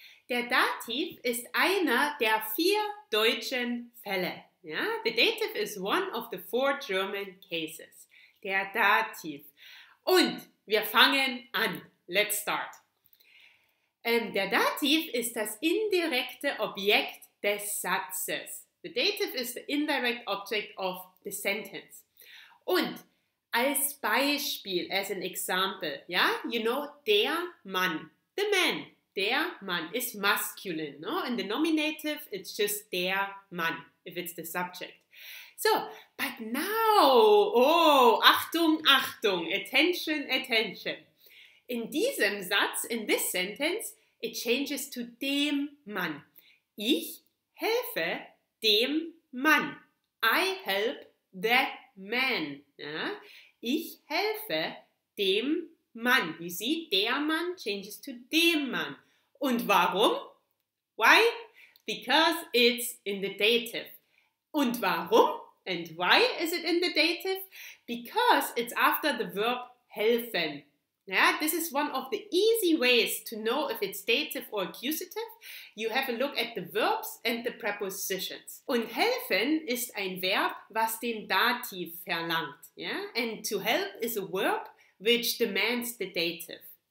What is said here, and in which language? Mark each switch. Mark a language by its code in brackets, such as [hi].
[de] Der Dativ ist einer der vier deutschen Fälle. Ja? [en] The Dative is one of the four German cases. [de] Der Dativ. Und wir fangen an. [en] Let's start. [de] Der Dativ ist das indirekte Objekt des Satzes. [en] The Dative is the indirect object of the sentence. [de] Und als Beispiel, [en] as an example, ja, you know, der Mann, the man, der Mann is masculine, no? In the nominative, it's just der Mann, if it's the subject. So, but now, oh, [de] Achtung, Achtung, [en] attention, attention. [de] In diesem Satz, [en] in this sentence, it changes to dem Mann. [de] Ich helfe dem Mann. [en] I help the man. [de] Ja? Ich helfe dem Mann. [en] You see, [de] der Mann changes to dem Mann. Und warum? [en] Why? Because it's in the dative. [de] Und warum? [en] And why is it in the dative? Because it's after the verb helfen. Yeah, this is one of the easy ways to know if it's dative or accusative. You have a look at the verbs and the prepositions. [de] Und helfen ist ein Verb, was den Dativ verlangt. [en] Yeah? And to help is a verb which demands the dative.